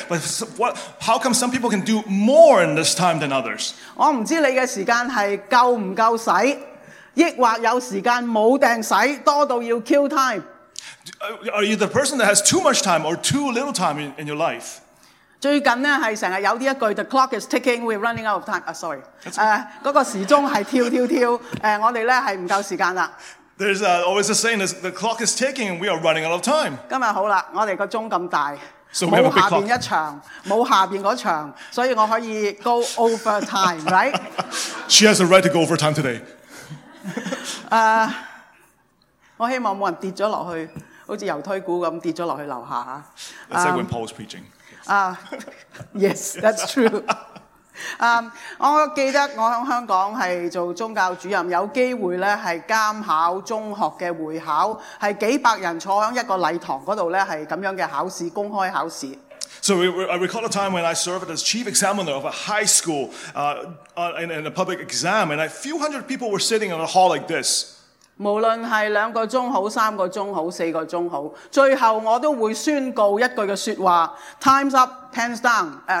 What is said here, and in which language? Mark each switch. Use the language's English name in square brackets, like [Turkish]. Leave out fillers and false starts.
[English] But what, how come some people can do more in this time than others? [Cantonese] 我唔知你嘅時間係夠唔夠使，抑或有時間冇定使，多到要 [English] kill time。 Are you the person that has too much time or too little time in your life? [Cantonese] 最近咧係成日有啲一句 [English] the clock is ticking, we're running out of time. Sorry. [Cantonese] 嗰個時鐘係跳跳跳，我哋咧係唔夠時間啦。 [English] There's always a saying that the clock is ticking and we are running out of time. [Cantonese] 今日好啦，我哋個鐘咁大。 [English] So we have a big clock. [Cantonese] 冇下邊一場，冇下邊嗰場，所以我可以 [English] go over time, [Cantonese] right? [English] She has a right to go over time today. [Cantonese] 我希望冇人跌咗落去，好似油推股咁跌咗落去樓下 [English] 嚇。It's like when Paul's preaching. Yes, that's true. [Cantonese] 我記得我喺香港係做宗教主任，有機會咧係監考中學嘅會考，係幾百人坐喺一個禮堂嗰度咧，係咁樣嘅考試，公開考試。 [English] So I recall a time when I served as chief examiner of a high school, in a public exam, and a few hundred people were sitting in a hall like this. [Cantonese] 無論係兩個鐘好、三個鐘好、四個鐘好，最後我都會宣告一句嘅説話 ： [English] Time's up, pens down.